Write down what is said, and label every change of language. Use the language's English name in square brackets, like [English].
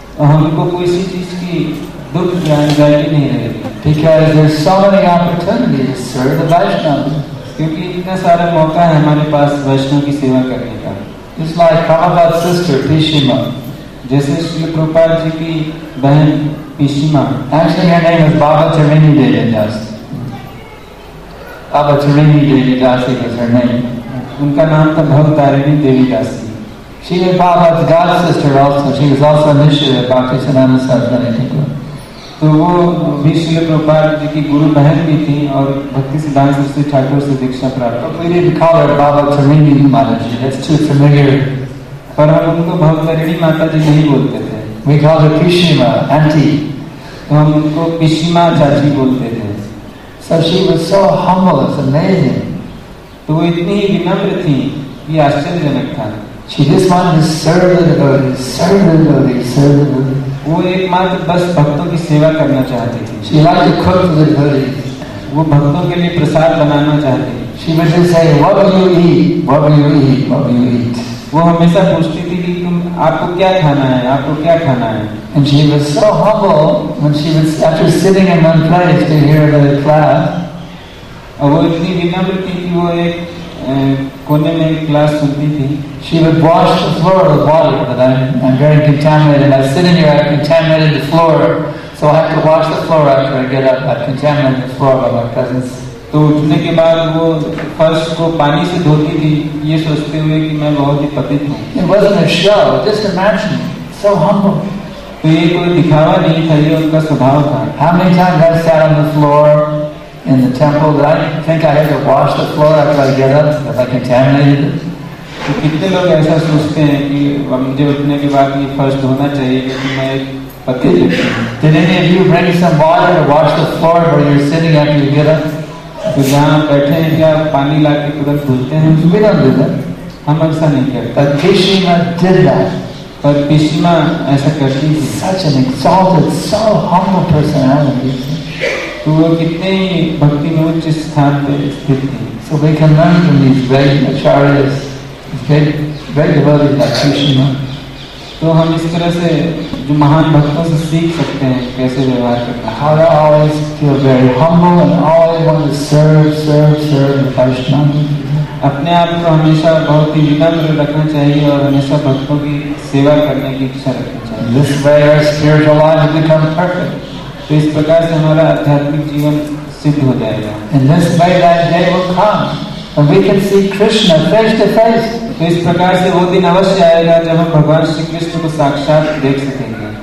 [Hindi] हमको किसी चीज की दुख जानकारी नहीं रहेगी क्योंकि इतना सारा मौका है हमारे पास वैष्णव की सेवा करने का. [English] It's like Prabhupada's sister, Pishima. [Hindi] जैसे श्री प्रभुपाद जी की बहन पिशिमा. [English] Actually, her name is Baba Tarini Devi Das. Baba Tarini Devi Das is her name. [Hindi] उनका नाम था भव तारिणी देवी दासी. [English] She is Prabhupada's god sister also. She was also initiated by Bhaktisiddhanta Saraswati. [Hindi] तो वो भी श्री प्रभुपाद जी की गुरु बहन भी थी और भक्ति सिद्धांत सरस्वती ठाकुर से दीक्षा प्राप्त. [English] We didn't call her Baba Tarini Mataji. That's too familiar. [Hindi] पर हम उनको भव तारिणी माता जी नहीं बोलते थे. [English] We called her Pishima, auntie. [Hindi] तो हम उनको पिशिमा चाची बोलते थे. [English] So she was so humble, it's amazing. [Hindi] तो वो इतनी ही विनम्र थी कि आश्चर्यजनक था. [English] She just wanted to serve the devotees, serve the devotees, serve the devotees. [Hindi] वो एकमात्र बस भक्तों की सेवा करना चाहती थी. [English] She liked to cook for the devotees. [Hindi] वो भक्तों के लिए प्रसाद बनाना चाहती थी. [English] She would just say, what will you eat? What will you eat? What will you eat? [Hindi] वो हमेशा पूछती थी कि तुम आपको क्या खाना है, आपको क्या खाना है. [English] And she was so humble when she was after sitting in one place to hear the class. [Hindi] और वो इतनी विनम्र थी कि वो एक कोने में क्लास सुनती थी. [English] She would wash the floor of the body, but I'm very contaminated. I sit in here, I contaminated the floor, so I have to wash the floor after I get up. I contaminated the floor by my presence. [Hindi] तो उठने के बाद वो फर्श को पानी से धोती थी ये सोचते हुए कि मैं बहुत ही पतित हूँ. [English] It wasn't a show, just imagine. So humble. [Hindi] तो ये कोई दिखावा नहीं था, ये उनका स्वभाव था. [English] How many times I've sat on the floor in the temple that I think I had to wash the floor after I get up because I contaminated it? [Hindi] तो कितने लोग ऐसा सोचते हैं कि मुझे उठने के बाद ये फर्श धोना चाहिए क्योंकि मैं एक पतित हूँ. [English] Did any of you bring some water to wash the floor where you're sitting after you get up? [Hindi] तो जहाँ बैठे हैं क्या पानी ला के तुरंत धुलते हैं? [English] We don't do that. [Hindi] हम ऐसा नहीं करते. [English] But Pishima did that. [Hindi] पर पिशिमा ऐसा करती थी. [English] Such an exalted, so humble personality. [Hindi] तो वो कितने ही भक्ति में उच्च स्थान पे स्थित थी. [English] So they can learn from these great acharyas, great devotees like Pishima. [Hindi] तो हम इस तरह से जो महान भक्तों से सीख सकते हैं कैसे व्यवहार करना. [English] How to always feel very humble and always want to serve Krishna. [Hindi] अपने आप को हमेशा बहुत ही विनम्र रखना चाहिए और हमेशा भक्तों की सेवा करने की इच्छा रखनी चाहिए. [English] This way our spiritual life becomes perfect. [Hindi] तो इस प्रकार से हमारा आध्यात्मिक जीवन सिद्ध हो जाएगा. [English] And this by that day will come and we can see Krishna face to face. [Hindi] तो इस प्रकार से वो दिन अवश्य आएगा जब हम भगवान श्री कृष्ण को साक्षात देख सकेंगे.